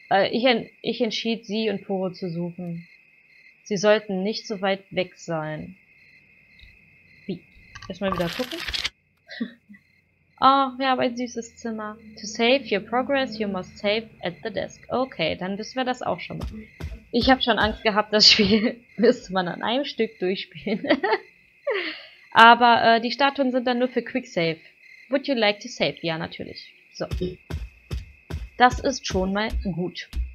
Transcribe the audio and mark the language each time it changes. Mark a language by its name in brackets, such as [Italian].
[German] Ich entschied, sie und Poro zu suchen. Sie sollten nicht so weit weg sein. Wie? Erstmal wieder gucken. Oh, wir haben ein süßes Zimmer. [English] To save your progress, you must save at the desk. [German] Okay, dann wissen wir das auch schon mal. Ich habe schon Angst gehabt, das Spiel müsste man an einem Stück durchspielen. Aber die Statuen sind dann nur für Quicksave. [English] Would you like to save? [German] Ja, natürlich. So. Das ist schon mal gut.